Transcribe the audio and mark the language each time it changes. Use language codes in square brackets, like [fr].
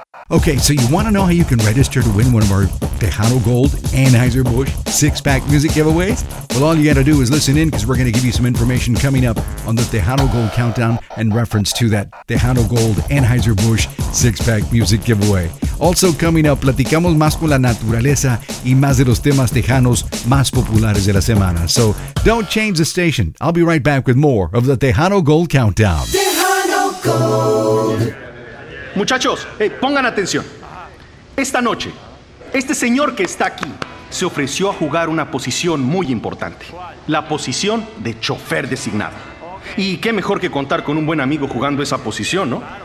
[en] Okay, so you want to know how you can register to win one of our Tejano Gold Anheuser-Busch six-pack music giveaways? Well, all you got to do is listen in, because we're going to give you some information coming up on the Tejano Gold Countdown in reference to that Tejano Gold Anheuser-Busch six-pack music giveaway. Also coming up, [es] platicamos más con la naturaleza y más de los temas tejanos más populares de la semana. [en] So don't change the station. I'll be right back with more of the Tejano Gold Countdown. Tejano Gold. [es] Muchachos, pongan atención. Esta noche, este señor que está aquí se ofreció a jugar una posición muy importante. La posición de chofer designado. Y qué mejor que contar con un buen amigo jugando esa posición, ¿no?